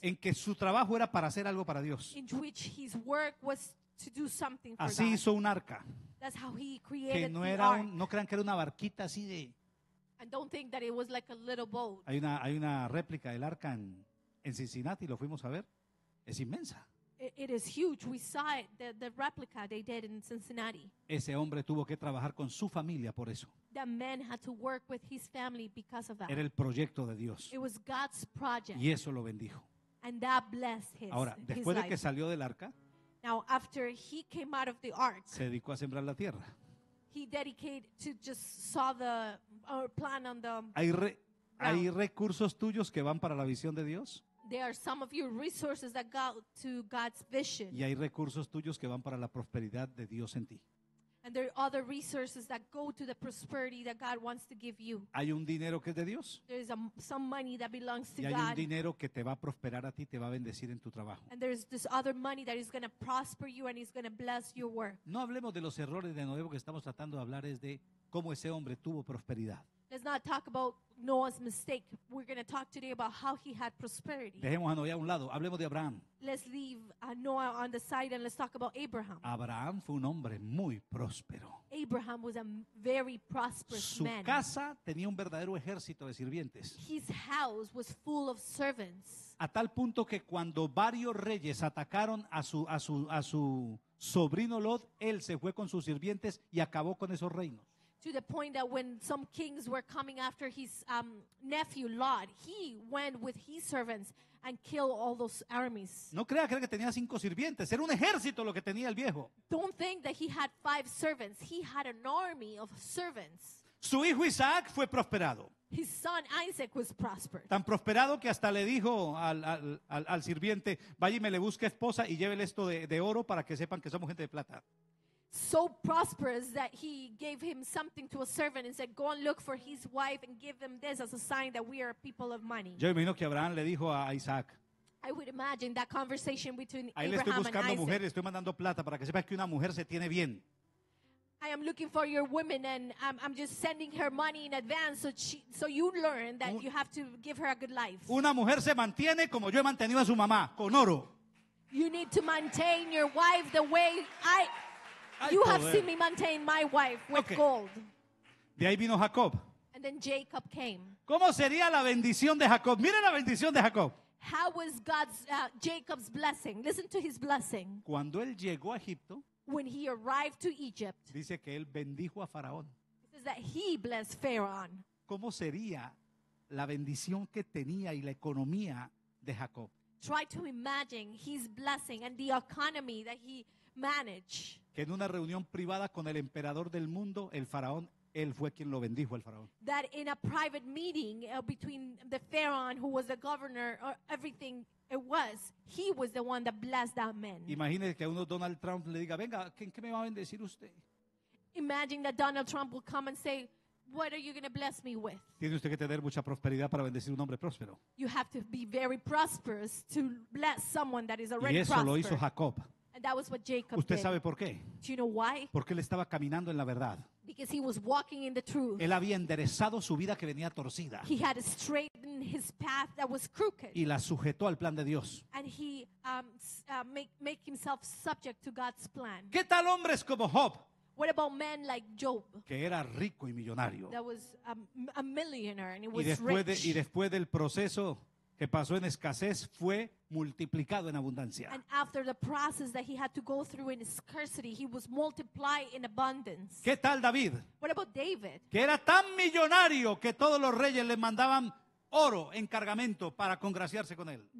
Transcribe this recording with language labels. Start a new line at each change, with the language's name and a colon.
Spanish: En que su trabajo era para hacer algo para Dios.
English: In which his work was to do something for
Spanish: así
English: God.
Spanish: Hizo un arca.
English: That's how he created
Spanish: que no
English: the
Spanish: era
English: ark.
Spanish: No crean que era una barquita así de.
English: And don't think that it was like a little boat.
Spanish: Hay una réplica del arca en Cincinnati, lo fuimos a ver. Es inmensa.
English: It is huge. We saw it, the replica they did in Cincinnati.
Spanish: Ese hombre tuvo que trabajar con su familia por eso.
English: That man had to work with his family because of that.
Spanish: Era el proyecto de Dios.
English: It was God's project.
Spanish: Y eso lo bendijo.
English: And that blessed his
Spanish: ahora, después
English: his
Spanish: de que salió del arca,
English: now, after he came out of the ark,
Spanish: se dedicó a sembrar la tierra.
English: He dedicated to just saw the plan on the
Spanish: ¿Hay recursos tuyos que van para la visión de Dios?
English: There are some of your resources that go to God's vision.
Spanish: Y hay recursos tuyos que van para la prosperidad de Dios en ti.
English: And there are other resources that go to the prosperity that God wants to give you.
Spanish: Hay un dinero que es de Dios.
English: There is some money that belongs to God.
Spanish: Y hay un dinero que te va a prosperar a ti, te va a bendecir en tu trabajo.
English: And there is this other money that is going to prosper you and is going to bless your work.
Spanish: No hablemos de los errores de Noé, porque estamos tratando de hablar es de cómo ese hombre tuvo prosperidad.
English: Let's not talk about Noah's mistake. We're going to talk today about how he had prosperity.
Spanish: Dejemos a Noé a un lado. Hablemos de Abraham.
English: Let's leave Noah on the side and let's talk about Abraham.
Spanish: Abraham fue un hombre muy próspero.
English: Abraham was a very prosperous
Spanish: Su
English: man.
Spanish: Su casa tenía un verdadero ejército de sirvientes.
English: His house was full of servants.
Spanish: A tal punto que cuando varios reyes atacaron a su sobrino Lot, él se fue con sus sirvientes y acabó con esos reinos.
English: To the point that when some kings were coming after his nephew Lot, he went with his servants and killed all those armies.
Spanish: No crea que tenía cinco sirvientes, era un ejército lo que tenía el viejo.
English: Don't think that he had five servants, he had an army of servants.
Spanish: Su hijo Isaac fue prosperado.
English: His son Isaac was prospered.
Spanish: Tan prosperado que hasta le dijo al sirviente, vaya y me le busque esposa y llévele esto de oro para que sepan que somos gente de plata.
English: So prosperous that he gave him something to a servant and said, go and look for his wife and give them this as a sign that we are people of money.
Spanish: Yo imagino que Abraham le dijo a Isaac.
English: I would imagine that conversation between Abraham and Isaac.
Spanish: Ahí le estoy buscando mujeres, estoy mandando plata para que sepas que una mujer se tiene bien.
English: I am looking for your women and I'm just sending her money in advance so you learn that you have to give her a good life.
Spanish: Una mujer se mantiene como yo he mantenido a su mamá, con oro.
English: You need to maintain your wife the way I... You have seen me maintain my wife with gold.
Spanish: De ahí vino Jacob.
English: And then Jacob came.
Spanish: ¿Cómo sería la bendición de Jacob? Mira la bendición de Jacob.
English: How was God's Jacob's blessing? Listen to his blessing.
Spanish: Cuando él llegó a Egipto,
English: when he arrived to Egypt,
Spanish: dice que él bendijo a Faraón.
English: It says that he blessed Pharaoh.
Spanish: ¿Cómo sería la bendición que tenía y la economía de Jacob?
English: Try to imagine his blessing and the economy that he manage.
Spanish: Que en una reunión privada con el emperador del mundo, el faraón, él fue quien lo bendijo, el faraón.
English: That in a private meeting between the pharaoh, who was the governor, or everything it was, he was the one that blessed that man.
Spanish: Imagínese que uno Donald Trump le diga, venga, ¿en qué me va a bendecir usted?
English: Imagine that Donald Trump will come and say, what are you going to bless me with?
Spanish: Tiene usted que tener mucha prosperidad para bendecir un hombre próspero.
English: You have to be very prosperous to bless someone that is already prosperous.
Spanish: Y eso lo hizo Jacob.
English: And that was what Jacob
Spanish: ¿Usted
English: did.
Spanish: Sabe por qué?
English: Do you know why?
Spanish: Porque él estaba caminando en la verdad.
English: Because he was walking in the truth.
Spanish: Él había enderezado su vida que venía torcida.
English: He had straightened his path that was crooked.
Spanish: Y la sujetó al plan de Dios.
English: And he make himself subject to God's plan.
Spanish: ¿Qué tal hombres como Job?
English: What about men like Job?
Spanish: Que era rico y millonario.
English: That was a millionaire and he was
Spanish: y después
English: rich.
Spanish: Y después del proceso que pasó en escasez fue multiplicado en abundancia.
English: And after the process that he had to go through in scarcity, he was multiplied in abundance.
Spanish: ¿Qué tal David?
English: What about David?
Spanish: Que era tan millonario que todos los reyes le mandaban oro en cargamento para congraciarse con él.